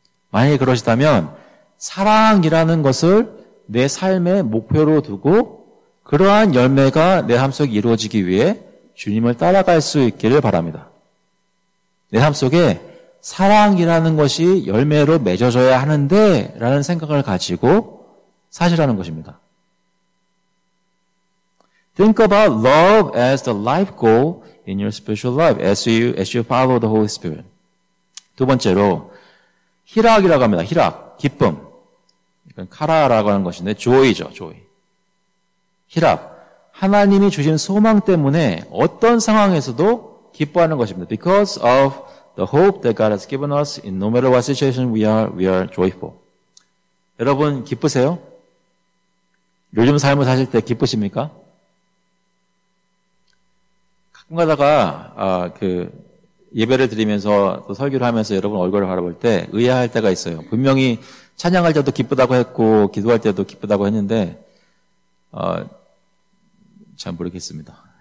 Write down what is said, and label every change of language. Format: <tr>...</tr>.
<ko>만약에 그러시다면 사랑이라는 것을 내 삶의 목표로 두고 그러한 열매가 내 삶 속에 이루어지기 위해 주님을 따라갈 수 있기를 바랍니다. 내 삶 속에 사랑이라는 것이 열매로 맺어져야 하는데 라는 생각을 가지고 사시라는 것입니다.</ko> <en>Think about love as the life goal in your spiritual life as you follow the Holy Spirit.</en> <ko>두 번째로 희락이라고 합니다. 희락, 기쁨. 이건 카라라고 하는 것인데 조이죠, 조이. 희락, 하나님이 주신 소망 때문에 어떤 상황에서도 기뻐하는 것입니다.</ko> <en>Because of the hope that God has given us in no matter what situation we are joyful.</en> <ko>여러분, 기쁘세요? 요즘 삶을 사실 때 기쁘십니까? 가끔가다가 예배를 드리면서 또 설교를 하면서 여러분 얼굴을 바라볼 때 의아할 때가 있어요. 분명히 찬양할 때도 기쁘다고 했고 기도할 때도 기쁘다고 했는데 잘 모르겠습니다.</ko>